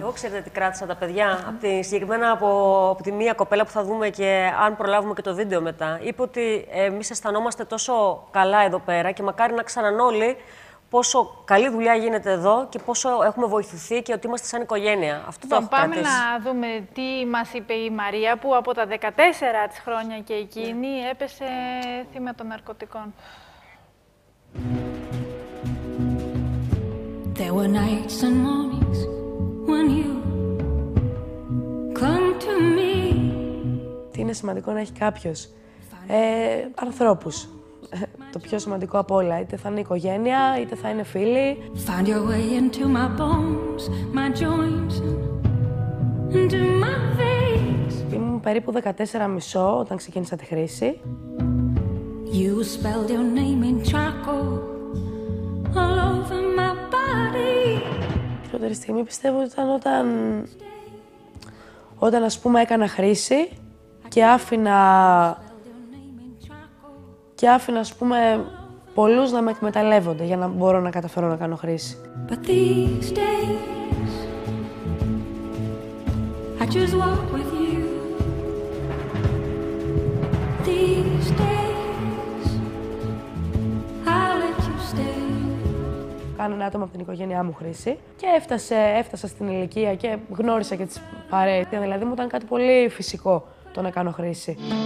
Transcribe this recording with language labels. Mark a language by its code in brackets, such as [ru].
[el] Εγώ ξέρετε τι κράτησα τα παιδιά. Από τη, συγκεκριμένα από τη μία κοπέλα που θα δούμε και αν προλάβουμε και το βίντεο μετά, είπε ότι εμείς αισθανόμαστε τόσο καλά εδώ πέρα και μακάρι να ξαναν όλοι πόσο καλή δουλειά γίνεται εδώ και πόσο έχουμε βοηθηθεί και ότι είμαστε σαν οικογένεια. Αυτό το έχω πάμε κρατήσει. Να δούμε τι μας είπε η Μαρία, που από τα 14 της χρόνια και εκείνη έπεσε θύμα των ναρκωτικών. [en] There were nights and mornings when you come to me. [el] Τι είναι σημαντικό να έχει κάποιος. Ανθρώπους. Το πιο σημαντικό απ' όλα, είτε θα είναι οικογένεια, είτε θα είναι φίλοι. [en] Find your way into my bones, my joints, into my veins. [el] Ήμουν περίπου 14,5 όταν ξεκίνησα τη χρήση. [en] You spelled your name in charcoal all over my body. [el] Η πρώτη στιγμή πιστεύω ότι ήταν όταν ας πούμε έκανα χρήση και άφηνα, ας πούμε, πολλούς να με εκμεταλλεύονται για να μπορώ να καταφέρω να κάνω χρήση. [en] But these days, I just walk with you. These days, I'll let you stay. [el] Κάνω ένα άτομο από την οικογένειά μου χρήση και έφτασα στην ηλικία και γνώρισα και τις παρέες. Δηλαδή μου ήταν κάτι πολύ φυσικό το να κάνω χρήση.